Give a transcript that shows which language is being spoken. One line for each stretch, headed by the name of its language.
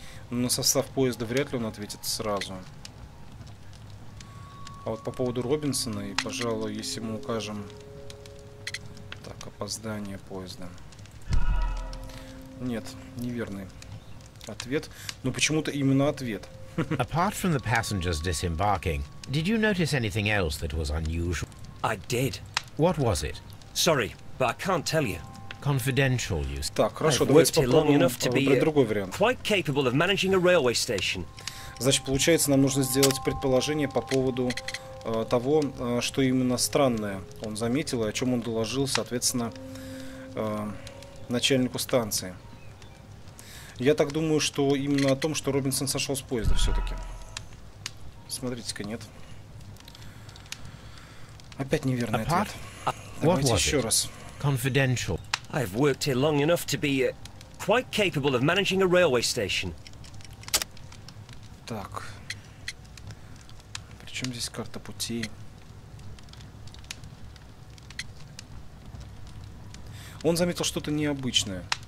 Russian: На состав поезда вряд ли он ответит сразу. А вот по поводу Робинсона, и, пожалуй, если мы укажем... Так, опоздание поезда. Нет, неверный ответ. Но почему-то именно ответ.
English: Apart from the passengers disembarking, did you notice anything else that was unusual? I did. What was it? Sorry, but I can't tell you. Confidential, you say?
Russian: Так, хорошо, давайте попробуем другой вариант.
English: Quite capable of managing a railway station.
Russian: Значит, получается, нам нужно сделать предположение по поводу того, что именно странное он заметил и о чем он доложил, соответственно, начальнику станции. Я так думаю, что именно о том, что Робинсон сошел с поезда все-таки. Смотрите-ка, нет. Опять неверный ответ. Давайте еще раз.
English: Confidential. I've worked here long enough to be quite capable of managing a railway station.
Russian: Так. Причем здесь карта пути? Он заметил что-то необычное.